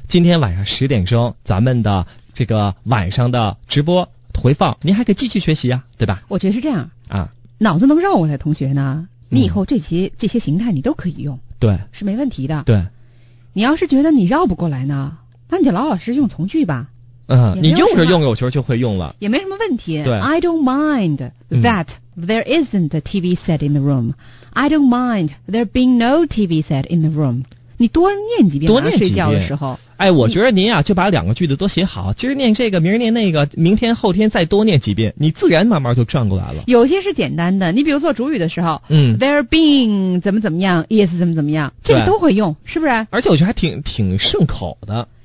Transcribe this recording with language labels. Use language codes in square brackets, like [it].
[zh] 今天晚上10点咱们的这个晚上的直播回放您还可以继续学习啊，对吧？我觉得是这样啊、嗯，脑子能绕过来，同学呢？你以后这些形态你都可以用，对，是没问题的。对，你要是觉得你绕不过来呢，那你就老老实用从句吧。嗯，你用着用着，我觉得就会用了，也没什么问题。对 [en] ，I don't mind that there isn't a TV set in the room. I don't mind there being no TV set in the room. [zh] 你多念几遍，多念几遍。睡觉的时候，哎，我觉得您啊，就把两个句子都写好，今儿念这个，明儿念那个，明天后天再多念几遍，你自然慢慢就转过来了。有些是简单的，你比如做主语的时候，嗯，there being 怎么怎么样 ，is 怎么怎么样，这个都会用，是不是？而且我觉得还挺顺口的。